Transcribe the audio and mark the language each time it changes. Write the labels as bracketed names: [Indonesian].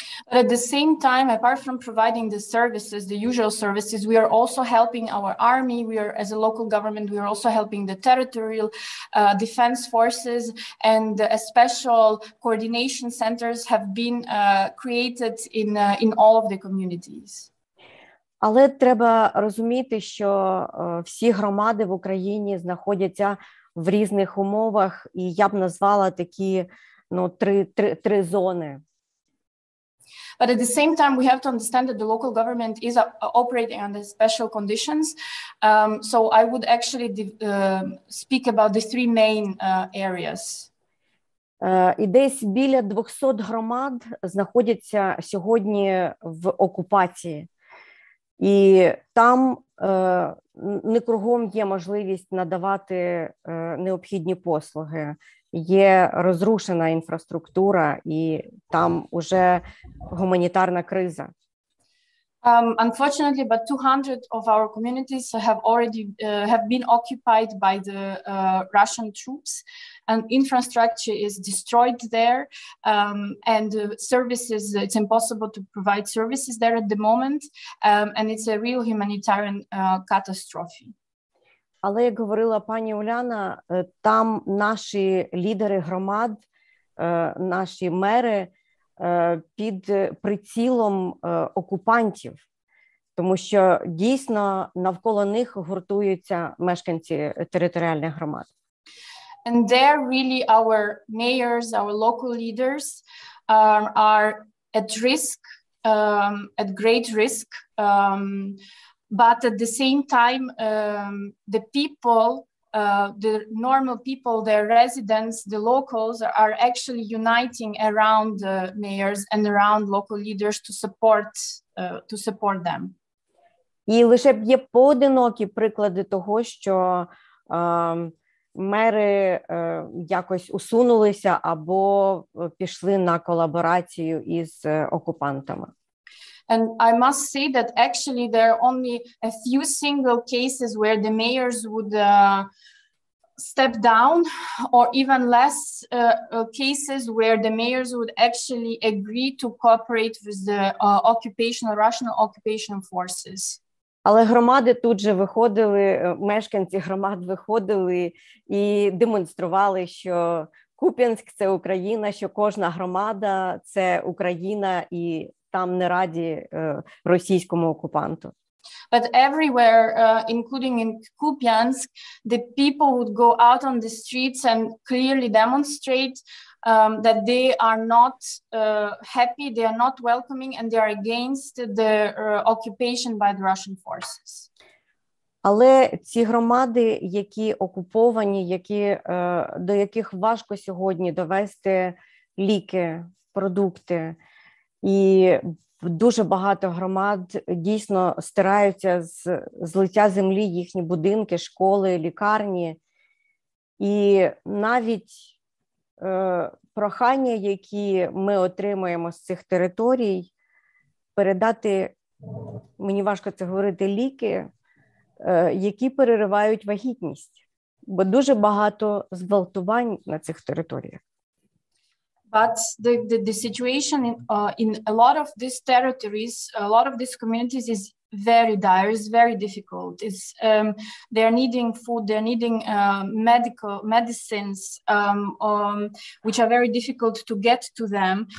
[English] But at the same time, apart from providing the services, the usual services, we are also helping our army, we are, as a local government, we are also helping the territorial defense forces, and a special coordination centers have been created in all of the communities. [Ukrainian] Але треба розуміти, що всі громади в Україні знаходяться в різних умовах, і я б назвала такі, ну, три зони. [English] But at the same time, we have to understand that the local government is operating under special conditions. So I would actually speak about the three main areas. [Ukrainian] І десь біля 200 громад знаходяться сьогодні в окупації. І там не кругом є можливість надавати необхідні послуги. Є розрушена інфраструктура і там уже гуманітарна криза. [English] Unfortunately, but 200 of our communities have already have been occupied by the Russian troops, and infrastructure is destroyed there, and services, it's impossible to provide services there at the moment, and it's a real humanitarian catastrophe. [Ukrainian] Але, як говорила пані Уляна, там наші лідери громад, наші мери, під прицілом окупантів, тому що дійсно навколо них гуртуються мешканці територіальних громад. [English] And there really our mayors, our local leaders are at risk, at great risk But at the same time, the people, the normal people, their residents, the locals are actually uniting around the mayors and around local leaders to support them. [Ukrainian] І лише б є поодинокі приклади того, що мери якось усунулися або пішли на колаборацію із окупантами. [English] And I must say that actually there are only a few single cases where the mayors would step down, or even less cases where the mayors would actually agree to cooperate with the occupation, Russian occupation forces. [Ukrainian] Але громади тут же виходили, мешканці громад виходили і демонстрували, що Куп'янськ – це Україна, що кожна громада – це Україна і там не раді російському окупанту. [English] But everywhere, including in Kupiansk, the people would go out on the streets and clearly demonstrate that they are not happy, they are not welcoming, and they are against the occupation by the Russian forces. [Ukrainian] Але ці громади, які окуповані, які, до яких важко сьогодні довести ліки, продукти, і дуже багато громад дійсно стираються з лиця землі їхні будинки, школи, лікарні. І навіть прохання, які ми отримуємо з цих територій, передати, мені важко це говорити, ліки, які переривають вагітність. Бо дуже багато зґвалтувань на цих територіях. [English] But the situation in a lot of these territories, a lot of these communities is very dire, is very difficult. It's, they're needing food, they're needing medicines, which are very difficult to get to them.